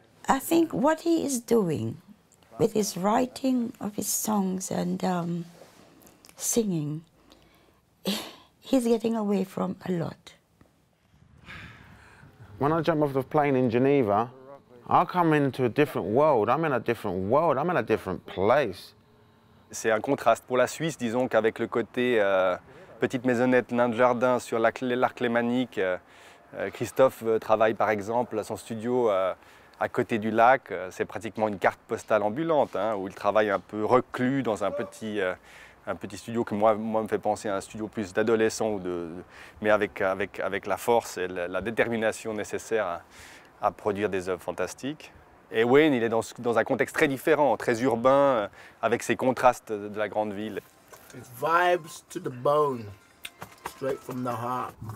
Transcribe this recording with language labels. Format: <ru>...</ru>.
<en>I think what he is doing with his writing of his songs and singing, he's getting away from a lot. When I jump off the plane in Geneva, I come into a different world. I'm in a different world. I'm in a different place.</en> <fr>C'est un contraste pour la Suisse, disons, qu'avec le côté petite maisonnette, nain de jardin sur l'arc lémanique. Christophe travaille par exemple à son studio à côté du lac. C'est pratiquement une carte postale ambulante, hein, où il travaille un peu reclus dans un petit studio qui moi me fait penser à un studio plus d'adolescent, mais avec la force et la détermination nécessaire à produire des œuvres fantastiques. Et Wayne, il est dans un contexte très différent, très urbain, avec ses contrastes de la grande ville.</fr> <en>It vibes to the bone, straight from the heart.</en>